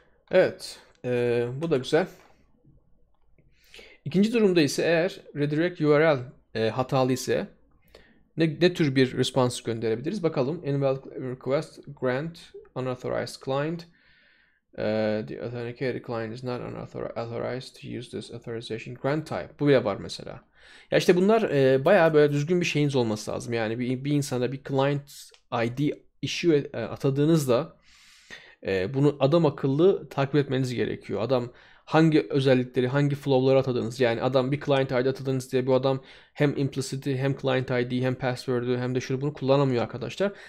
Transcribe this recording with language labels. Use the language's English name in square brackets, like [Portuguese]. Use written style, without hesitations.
[Turkish] Evet, bu da güzel. İkinci durumda ise eğer redirect URL hatalı ise ne tür bir response gönderebiliriz? Bakalım. [English] Invalid request grant unauthorized client. The authenticated client is not authorized to use this authorization grant type. [Turkish] Bu bile var mesela. Ya işte bunlar bayağı böyle düzgün bir şeyiniz olması lazım. Yani bir insana bir client ID issue atadığınızda bunu adam akıllı takip etmeniz gerekiyor. Adam hangi özellikleri, hangi flow'ları atadınız? Yani adam bir client ID atadınız diye bu adam hem implicit'i, hem client ID'yi, hem password'ü, hem de şunu bunu kullanamıyor arkadaşlar.